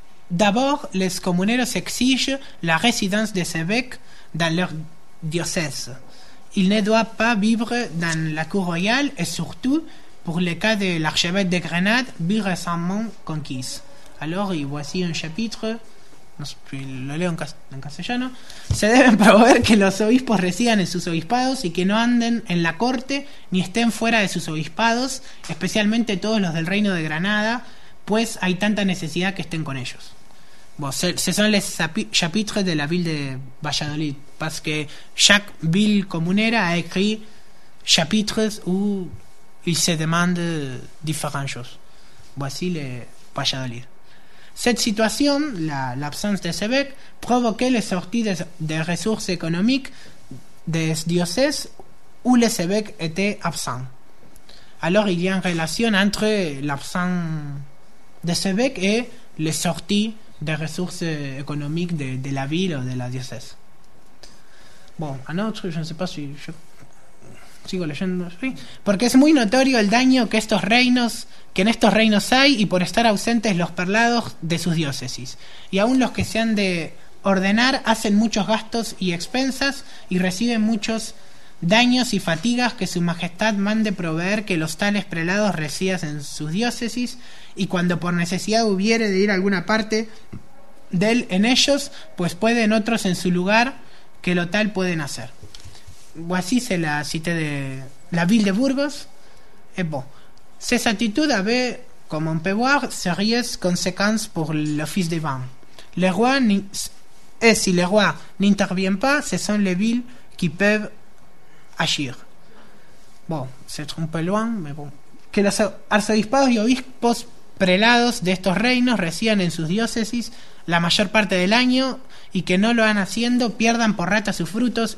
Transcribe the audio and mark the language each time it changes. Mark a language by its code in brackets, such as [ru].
[fr] D'abord, les comuneros exigent la résidence des évêques dans leur diocèse. Ils ne doivent pas vivre dans la cour royale et surtout, pour le cas de l'archevêque de Grenade, vit récemment conquis. Alors, voici un chapitre, [es] lo leo en castellano. Se deben proveer que los obispos residan en sus obispados y que no anden en la corte ni estén fuera de sus obispados, especialmente todos los del reino de Granada, pues hay tanta necesidad que estén con ellos. [fr] Ce sont les chapitres de la ville de Valladolid, parce que chaque ville comunera a écrit chapitres où il se demande différentes choses. Voici le Valladolid. Cette situation, l'absence des évêques, provoquait les sorties de ressources économiques des diocèses où les évêques étaient absents. Alors il y a une relation entre l'absence des évêques et les sorties de ressources économiques de la ville ou de la diocèse. Bon, un autre, je ne sais pas si je [es] sigo leyendo. Sí. Porque es muy notorio el daño que estos reinos, que en estos reinos hay, y por estar ausentes los prelados de sus diócesis. Y aún los que se han de ordenar hacen muchos gastos y expensas y reciben muchos daños y fatigas que su majestad mande proveer que los tales prelados residan en sus diócesis y cuando por necesidad hubiere de ir a alguna parte de él en ellos, pues pueden otros en su lugar que lo tal pueden hacer. [fr] O así se la cité de la ville de Burgos. Bon. Cette attitude avait, comme on peut voir, sérieuses conséquences pour l'office divin. Le roi, et si le roi n'intervient pas, ce sont les villes qui peuvent agir. Bon, c'est un peu loin, mais bon. [es] Que los arzobispados y obispos prelados de estos reinos residan en sus diócesis la mayor parte del año y que no lo han haciendo pierdan por rata sus frutos.